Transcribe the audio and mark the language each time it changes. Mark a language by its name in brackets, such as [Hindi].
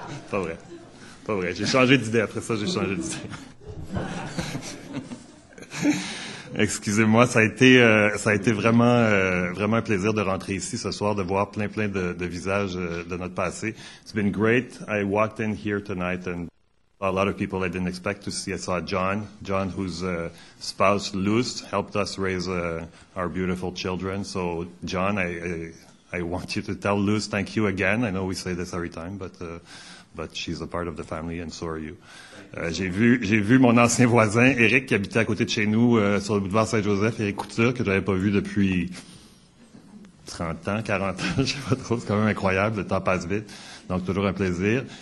[French] Pas vrai. Pas vrai. J'ai changé d'idée. Après ça, j'ai changé d'idée. Excusez-moi, ça a été vraiment un plaisir de rentrer ici ce soir, de voir plein de visages de notre passé. [English] It's been great. I walked in here tonight and a lot of people I didn't expect to see. I saw John, whose spouse Luz helped us raise our beautiful children. So, John, I want you to tell Luz thank you again. I know we say this every time, but she's a part of the family, and so are you. [French] J'ai vu mon ancien voisin, Eric, qui habitait à côté de chez nous sur le boulevard Saint-Joseph, Eric Couture, que je n'avais pas vu depuis 30 ans, 40 ans, je ne sais pas trop, c'est quand même incroyable, le temps passe vite, donc toujours un plaisir.